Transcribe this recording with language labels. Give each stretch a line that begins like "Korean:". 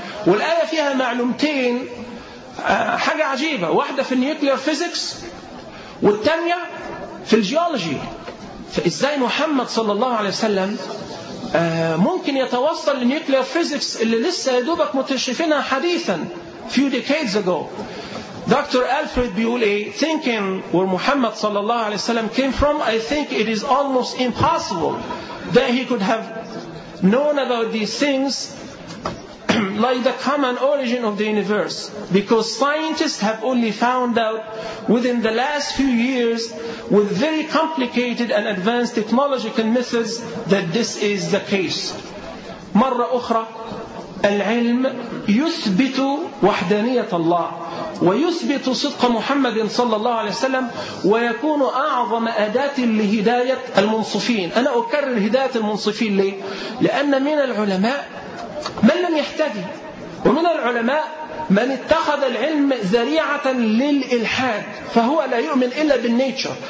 Arabic: والآية فيها معلومتين حاجة عجيبة، واحدة في النيوكليير فيزيكس والتانية في الجيولوجي. فإزاي محمد صلى الله عليه وسلم ممكن يتوصل للنيوكليير فيزيكس اللي لسه يدوبك متشفينها حديثا
English: few decades ago.
Arabic: دكتور ألفريد بيقول إيه؟
English: thinking where محمد
Arabic: صلى الله عليه وسلم
English: came from I think it is almost impossible that he could have known about these things like the common origin of the universe because scientists have only found out within the last few years with very complicated and advanced technological methods that this is the case.
Arabic: مرة أخرى العلم يثبت وحدانية الله ويثبت صدق محمد صلى الله عليه وسلم ويكون أعظم أداة لهداية المنصفين. أنا أكرر هداية المنصفين ليه؟ لأن من العلماء من لم يهتدي، ومن العلماء من اتخذ العلم ذريعة للإلحاد فهو لا يؤمن إلا بالنيتشر.